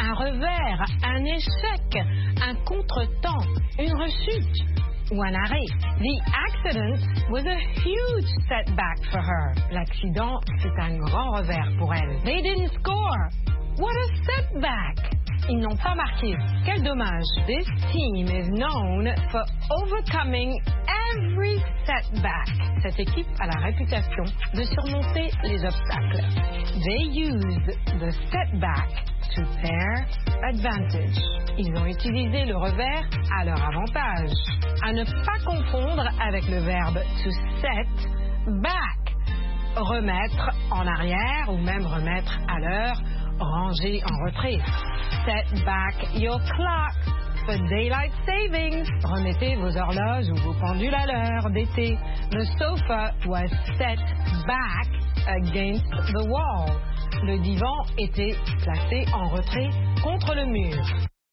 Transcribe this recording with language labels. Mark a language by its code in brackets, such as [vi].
[fr] Un revers, un échec, un contretemps, une rechute ou un arrêt. [en] The accident was a huge setback for her. [fr] L'accident, c'est un grand revers pour elle. [en] They didn't score. What a setback! [fr] Ils n'ont pas marqué. Quel dommage. [en] This team is known for overcoming every setback. [fr] Cette équipe a la réputation de surmonter les obstacles. [en] They used the setback to their advantage. [fr] Ils ont utilisé le revers à leur avantage. À ne pas confondre avec le verbe to set back. Remettre en arrière ou même remettre à l'heure. Ranger en retrait. [en] Set back your clock for daylight savings. [fr] Remettez vos horloges ou vos pendules à l'heure d'été. [en] The sofa was set back against the wall. [fr] Le divan était placé en retrait contre le mur.